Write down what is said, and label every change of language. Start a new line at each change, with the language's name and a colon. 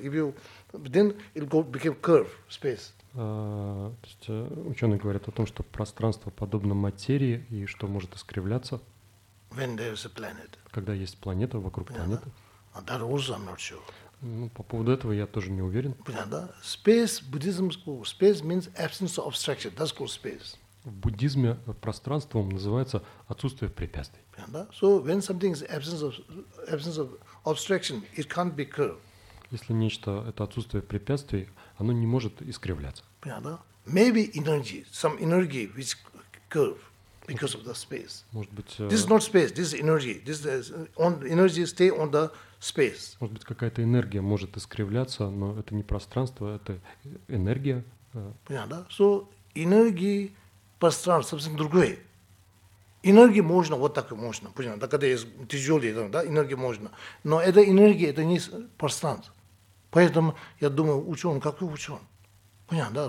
English: If you then it'll go become curve space.
Russian: То есть ученые говорят о том, что пространство подобно материи и что может искривляться.
English: When there's a planet.
Russian: Когда есть планета вокруг планеты.
English: And that also I'm not sure.
Russian: Ну, по поводу этого я тоже не уверен. Понятно, да?
English: Space, Buddhism school, space means absence of obstruction. That's called space.
Russian: В буддизме пространством называется отсутствие препятствий. Понятно, да?
English: So when something is absence of obstruction, it can't be curved.
Russian: Если нечто – это отсутствие препятствий, оно не может искривляться. Понятно, да?
English: Maybe energy, some energy which curve. Because of the space.
Russian: Может быть,
English: this is not space. This is energy. This is on energy stay on the space.
Russian: Может быть, какая-то энергия может искривляться, но это не пространство, это энергия. Понятно, да?
English: So energy,
Russian: пространство, совсем другое. Энергии можно, вот так и можно. Понятно, да? Когда есть тяжелые, да, энергии можно. Но эта энергия, это не пространство. Поэтому я думаю, ученый, какой ученый? Понятно, да?